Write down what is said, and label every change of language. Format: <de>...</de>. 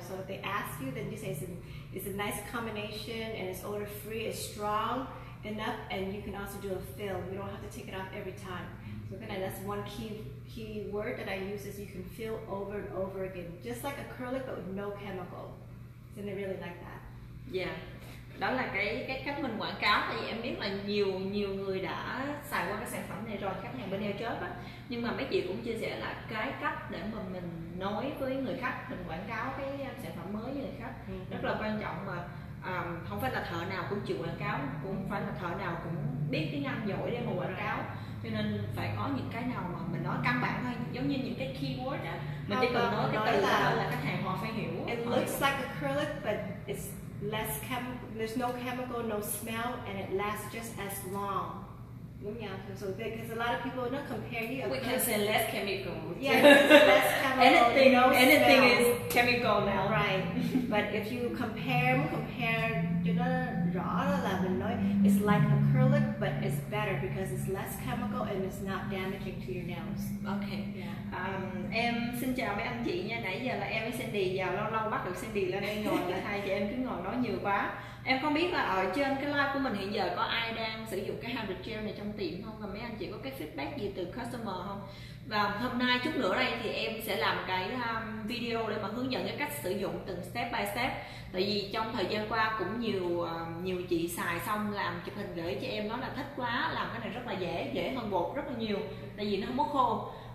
<en>So if they ask you, then you say it's a nice combination and it's odor free, it's strong enough, and you can also do a fill. You don't have to take it off every time. So kind of that's one key word that I use is you can fill over and over again, just like acrylic but with no chemical. So they really like that. Yeah.</en> <vi>Đó là cái cách mình quảng cáo, tại vì em biết là nhiều người đã xài qua cái sản phẩm này rồi, khách hàng bên Eo Chớp á. Nhưng mà mấy chị cũng chia sẻ là cái cách để mà mình nói với người khách, mình quảng cáo cái sản phẩm mới với người khách rất là quan trọng, mà không phải là thợ nào cũng chịu quảng cáo, cũng phải là thợ nào cũng biết tiếng Anh giỏi để mà quảng cáo. Cho nên phải có những cái nào mà mình nói căn bản thôi, giống như những cái keyword á, mình chỉ cần nói cái từ là khách hàng họ phải hiểu.</vi> <en>It looks like acrylic but it's less chemical, there's no chemical, no smell, and it lasts just as long. So because a lot of people not compare you. We can say less chemical. Yeah, less chemical. Anything, no anything smell. Is chemical now. Right. But if you compare, you know, raw lemon oil, it's like acrylic, but it's better because it's less chemical and it's not damaging to your nails. Okay. Yeah.</en> <vi>Em xin chào mấy anh chị nha. Nãy giờ là em với Cindy vào lâu lâu bắt được Cindy lên đây ngồi, là hai chị em cứ ngồi nói nhiều quá. Em không biết là ở trên cái live của mình hiện giờ có ai đang sử dụng cái hybrid gel này trong tiệm không, và mấy anh chị có cái feedback gì từ customer không. Và hôm nay chút nữa đây thì em sẽ làm cái video để mà hướng dẫn cái cách sử dụng từng</vi> <en>step by step,</en> <vi>tại vì trong thời gian qua cũng nhiều chị xài xong làm chụp hình gửi cho em nói là thích quá, làm cái này rất là dễ hơn bột rất là nhiều, tại vì nó không có khô.</vi>